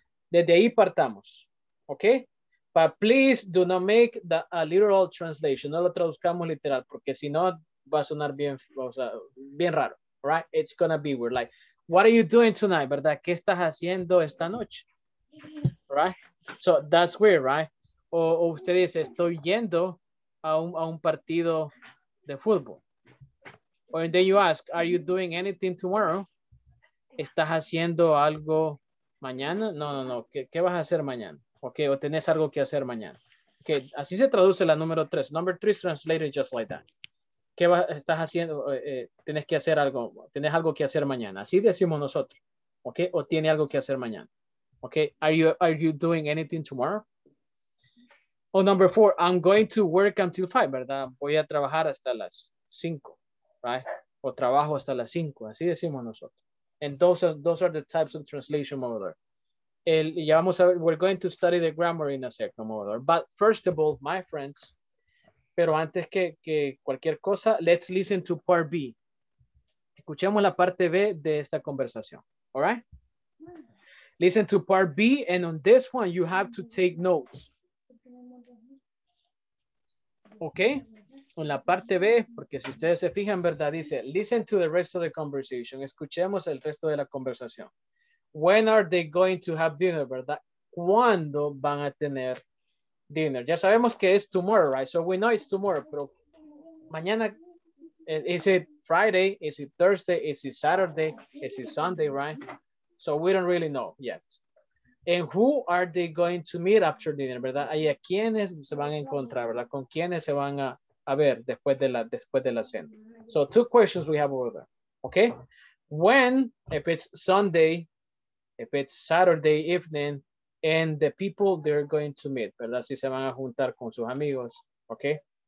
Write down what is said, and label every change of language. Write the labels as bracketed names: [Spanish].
[Spanish] Desde ahí partamos. Okay? But please do not make a literal translation. No lo traduzcamos literal porque si no va a sonar bien, o sea, bien raro. Right? It's gonna be weird. [English] Like, what are you doing tonight? ¿Verdad? ¿Qué estás haciendo esta noche? Right? So that's weird, right? [Spanish] O usted dice, estoy yendo a un partido de fútbol. [English] Or then you ask, are you doing anything tomorrow? [Spanish] ¿Estás haciendo algo mañana? No. ¿Qué vas a hacer mañana? Okay, o tenés algo que hacer mañana. Okay, así se traduce la número 3. [English] Number 3 is translated just like that. ¿Qué estás haciendo? [Spanish] Tenés que hacer algo. Tenés algo que hacer mañana. Así decimos nosotros. Okay, o tiene algo que hacer mañana. Okay, are you doing anything tomorrow? [English] Oh, number 4, I'm going to work until 5, ¿verdad? Voy a trabajar hasta las 5, right? [Spanish] O trabajo hasta las 5, así decimos nosotros. [English] And those are the types of translation over there. Ya vamos a ver, we're going to study the grammar in a second over there. But first of all, my friends, pero antes que cualquier cosa, let's listen to part B. [Spanish] Escuchemos la parte B de esta conversación, all right? [English] Listen to part B, and on this one, you have to take notes. [Spanish] Okay, en la parte B, porque si ustedes se fijan, ¿verdad? [English] Dice, listen to the rest of the conversation. Escuchemos el resto de la conversación. When are they going to have dinner, ¿verdad? ¿Cuándo van a tener dinner? Ya sabemos que es tomorrow, right? So we know it's tomorrow, pero mañana, is it Friday? Is it Thursday? Is it Saturday? Is it Sunday, right? So we don't really know yet. And who are they going to meet after dinner, ¿verdad? [Spanish] ¿Y a quiénes se van a encontrar, ¿verdad? ¿Con quiénes se van a ver después de la cena? [English] So two questions we have over there, okay? When, if it's Sunday, if it's Saturday evening, and the people they're going to meet, ¿verdad? [Spanish] Si se van a juntar con sus amigos, okay?